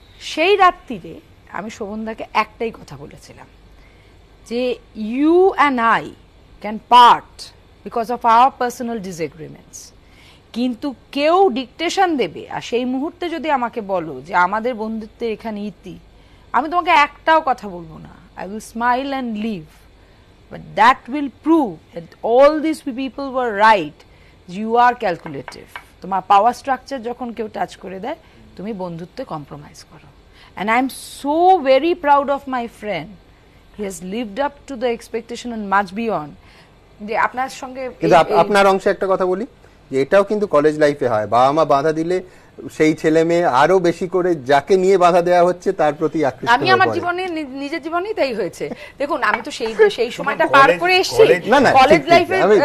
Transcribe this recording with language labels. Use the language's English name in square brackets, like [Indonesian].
[Bangla] সেই রাত্রিরে আমি শোভনদাকে একটাই কথা বলেছিলাম যে [English] you and I can part because of our personal disagreements, [Bangla] কিন্তু কেউ ডিকটেশন দেবে আর সেই মুহূর্তে যদি আমাকে বলো যে আমাদের বন্ধুত্বের এখানে ইতি, আমি তোমাকে একটাও কথা বলবো না, [English] I will smile and leave, but that will prove that all this people were right, you are calculative, [Bangla] তোমার পাওয়ার স্ট্রাকচার যখন কেউ টাচ করে দেয় তুমি বন্ধুত্বে কম্প্রোমাইজ করো। [English] And I'm so very proud of my friend. He has lived up to the expectation and much beyond. [Bangla] যে আপনার সঙ্গে, কিন্তু আপনার অংশে একটা কথা বলি, যে এটাও কিন্তু কলেজ লাইফে হয়, বাবা মা বাধা দিলে সেই ছেলে মেয়ে আরো বেশি করে যাকে নিয়ে বাধা দেওয়া হচ্ছে তার প্রতি আকৃষ্ট হয়। আমি আমার জীবনে, নিজের জীবনেই তাই হয়েছে। দেখুন আমি তো সেই সেই সময়টা পার করে এসেছি কলেজ লাইফে।